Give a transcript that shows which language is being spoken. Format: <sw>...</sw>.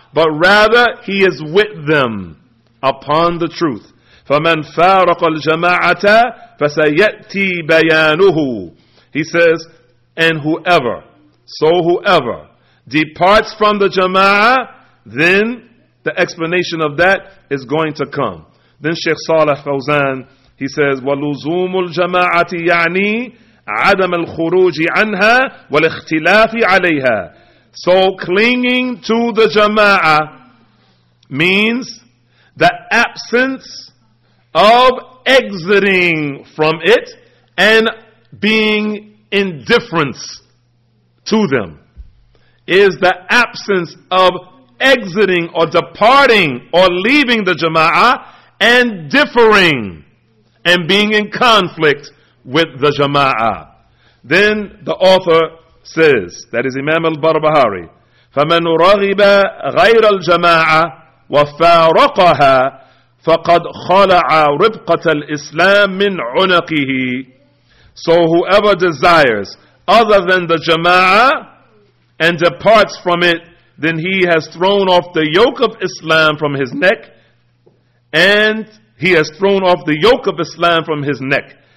<en>But rather, he is with them upon the truth.</en> <ar>فَمَنْ فَارَقَ الْجَمَاعَةَ فَسَيَأْتِي بَيَانُهُ.</ar> <en>He says, and whoever, so whoever, departs from the jama'ah, then the explanation of that is going to come. Then Sheikh Saleh Fawzan, he says,</en> <ar>وَلُزُومُ الْجَمَاعَةِ يَعْنِي عَدَمَ الْخُرُوجِ عَنْهَا وَالْإِخْتِلَافِ عَلَيْهَا.</ar> <en>So clinging to the jama'ah means the absence of exiting from it and being indifference to them. Is the absence of exiting or departing or leaving the jama'ah and differing and being in conflict with the jama'ah. Then the author says, that is Imam al-Barbahari,</en> <ar>فَمَنْ رَغِبَ غَيْرَ الْجَمَاعَةِ وَفَارَقَهَا فَقَدْ خَلَعَ رِبْقَةَ الْإِسْلَامِ مِنْ عُنَقِهِ.</ar> <en>So whoever desires other than the jama'ah and departs from it, then he has thrown off the yoke of Islam from his neck, and he has thrown off the yoke of Islam from his neck.</en>